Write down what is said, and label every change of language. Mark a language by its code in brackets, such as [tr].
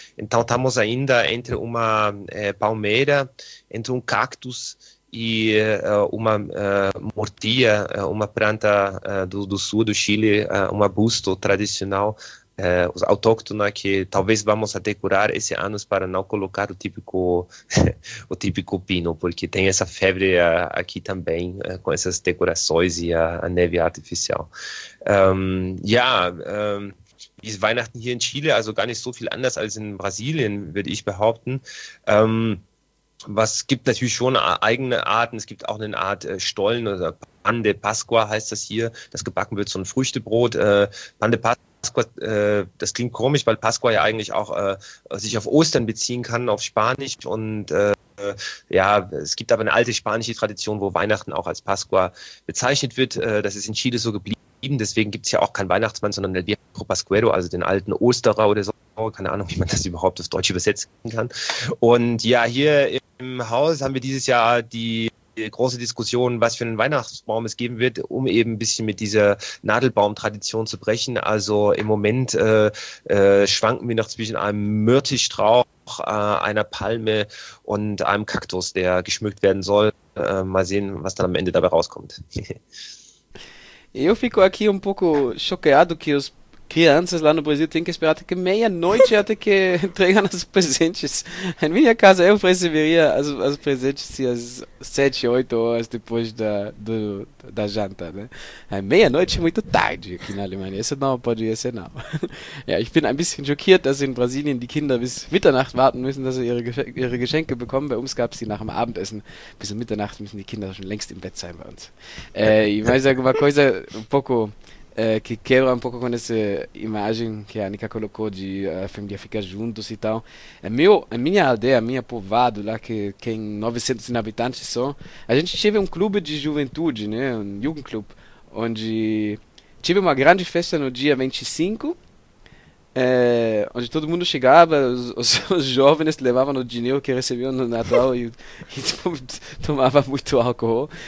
[pt] Então, estamos ainda entre uma palmeira, entre um cactus, e uma mortilha, uma planta do sul do Chile, um arbusto tradicional, autóctona, que talvez vamos a decorar esse ano para não colocar o típico pino, porque tem essa febre aqui também, com essas decorações e a neve artificial. [de] Wie ist Weihnachten hier in Chile? Also gar nicht so viel anders als in Brasilien, würde ich behaupten. Was gibt natürlich schon eigene Arten. Es gibt auch eine Art Stollen oder Pan de Pascua heißt das hier. Das gebacken wird, so ein Früchtebrot. Pan de Pascua, das klingt komisch, weil Pascua ja eigentlich auch sich auf Ostern beziehen kann, auf Spanisch. Und ja, es gibt aber eine alte spanische Tradition, wo Weihnachten auch als Pascua bezeichnet wird. Das ist in Chile so geblieben. Deswegen gibt es ja auch keinen Weihnachtsmann, sondern El Viejo Pascuero, also den alten Osterer oder so. Keine Ahnung, wie man das überhaupt auf Deutsch übersetzen kann. Und ja, hier im Haus haben wir dieses Jahr die große Diskussion, was für einen Weihnachtsbaum es geben wird, um eben ein bisschen mit dieser Nadelbaumtradition zu brechen. Also im Moment schwanken wir noch zwischen einem Myrtischstrauch, einer Palme und einem Kaktus, der geschmückt werden soll. Mal sehen, was dann am Ende dabei rauskommt. [pt] Eu fico aqui pouco chocado que os crianças lá no Brasil têm que esperar até que meia-noite até que entregam os presentes. Em minha casa eu receberia os presentes se às 7, 8 horas depois da janta, né? Meia-noite é muito tarde aqui na Alemanha. Isso não poderia ser, não. [de] Ja, ich bin ein bisschen schockiert, dass in Brasilien die Kinder bis Mitternacht warten müssen, dass sie ihre Geschenke bekommen. Bei uns gab es sie nach dem Abendessen. Bis um Mitternacht müssen die Kinder schon längst im Bett sein bei uns. Ich weiß sagen, [pt] uma coisa um pouco... que quebra pouco com essa imagem que a Anika colocou de a família ficar juntos e tal. A minha aldeia, a minha povoado lá, que tem 900 habitantes só, a gente teve um clube de juventude, né, um Jugendclub, onde tive uma grande festa no dia 25, onde todo mundo chegava, os jovens levavam o dinheiro que recebiam no Natal e tomava muito álcool.